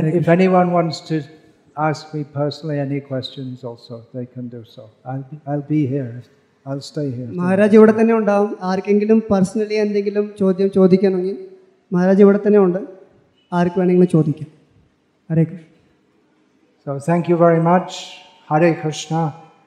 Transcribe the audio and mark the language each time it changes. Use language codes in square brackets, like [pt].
[en] If anyone wants to ask me personally any questions also, they can do so. I'll be here. I'll stay here. [ml] Maharaj ഇവിടെ തന്നെ ഉണ്ടാവും. ആർക്കെങ്കിലും personally എന്തെങ്കിലും ചോദ്യം ചോദിക്കണമെങ്കിൽ മഹാരാജ് ഇവിടെ തന്നെ ഉണ്ട്, ആർക്ക് വേണമെങ്കിലും ചോദിക്കാം. ഹരേ Krishna. [en] So thank you very much. Hare Krishna.